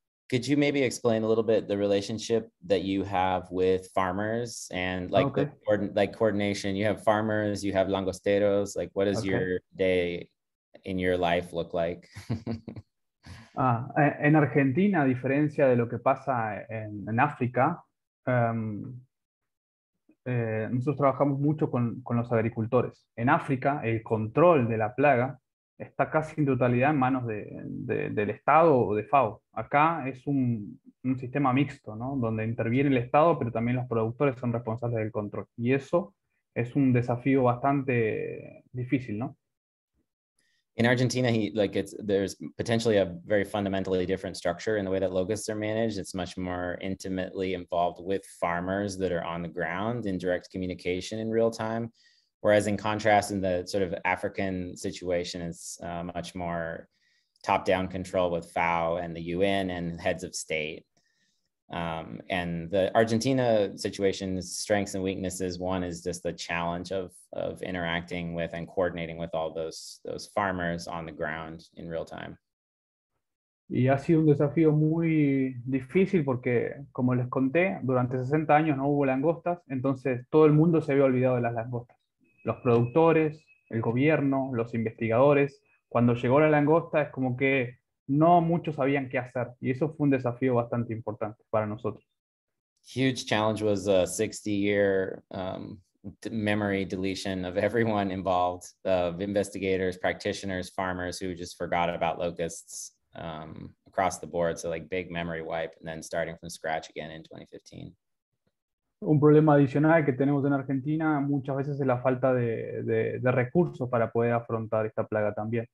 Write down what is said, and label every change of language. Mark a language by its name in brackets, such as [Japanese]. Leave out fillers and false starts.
[English] Could you maybe explain a little bit the relationship that you have with farmers and like coordination? You have farmers, you have langosteros. Like, what does your day in your life look like? [Spanish] En Argentina, a diferencia de lo que pasa en África, nosotros trabajamos mucho con los agricultores. En África, el control de la plaga está casi en totalidad en manos del Estado o de FAO. Acá es un sistema mixto, ¿no? Donde interviene el Estado, pero también los productores son responsables del control. Y eso es un desafío bastante difícil, ¿no? [English] In Argentina, there's potentially a very fundamentally different structure in the way that locusts are managed. It's much more intimately involved with farmers that are on the ground in direct communication in real time. Whereas in contrast, in the sort of African situation, it's much more top-down control with FAO and the UN and heads of state. And the Argentina situation's strengths and weaknesses, one is just the challenge of interacting with and coordinating with all those farmers on the ground in real time. [Spanish] Y ha sido un desafío muy difícil porque, como les conté, durante 60 años no hubo langostas, entonces todo el mundo se había olvidado de las langostas. Los productores, el gobierno, los investigadores. Cuando llegó la langosta es como que no muchos sabían qué hacer. Y eso fue un desafío bastante importante para nosotros. [English] Huge challenge was a 60-year memory deletion of everyone involved, of investigators, practitioners, farmers who just forgot about locusts across the board. So like big memory wipe and then starting from scratch again in 2015. [Spanish] Un problema adicional que tenemos en Argentina muchas veces es la falta de recursos para poder afrontar esta plaga también.